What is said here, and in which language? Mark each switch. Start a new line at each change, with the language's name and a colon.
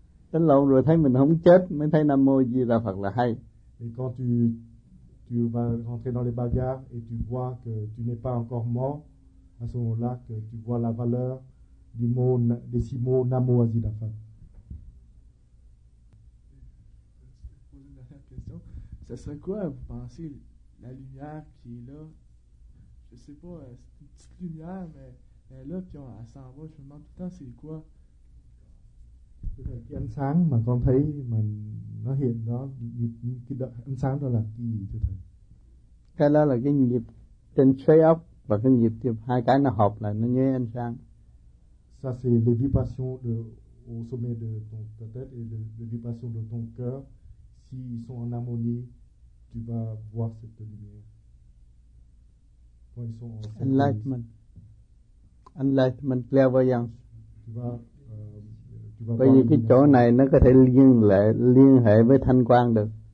Vietnamese: Tính lộn rồi thấy mình không chết mới thấy Nam Mô Di Đà Phật là hay.
French: Et quand tu vas rentrer dans les bagarres et tu vois que tu n'es pas encore mort, à ce moment-là que tu vois la valeur du mot, des six mots Nam Mô Di Đà Phật. Poser une dernière question. Ça serait quoi, vous pensez, la lumière qui est là? Je sais pas, c'est une petite lumière, mais elle est là, puis elle s'en va. Je me demande tout le temps, c'est quoi?
Vietnamese: Cái ánh sáng mà con thấy mà nó hiện đó, cái ánh sáng đó là cái gì thưa thầy? Cái đó là cái nhịp trên xoáy ốc và cái nhịp thì hai cái nó hợp lại nó như ánh sáng.
French: Ça c'est les vibrations de au sommet de ton tête et les vibrations de ton cœur. S'ils sont en harmonie, tu vas voir cette lumière.
English: Enlightenment, clairvoyance.
French: Tu vas
Vietnamese: bởi vì cái chỗ này nó có thể liên hệ với thanh quang được.